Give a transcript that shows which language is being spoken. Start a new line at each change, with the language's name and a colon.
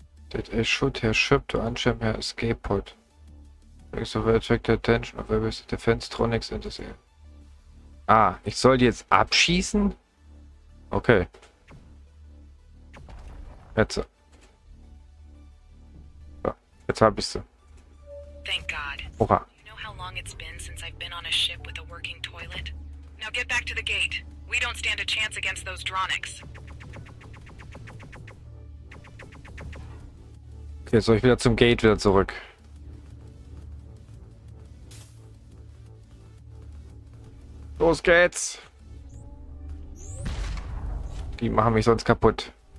English: That I should have shipped to unjam her escape pod. So we attract the attention of various defense tronics in this area.
German: Ah, ich soll die jetzt abschießen? Okay. Jetzt. So, jetzt hab ich sie.
English: Thank God.
German: Hurra.
English: You know how long it's been since I've been on a ship with a working toilet? Now get back to the gate. We don't stand a chance against those dronics.
German: Okay, soll ich wieder zum Gate wieder zurück? Los geht's! Die machen mich sonst kaputt.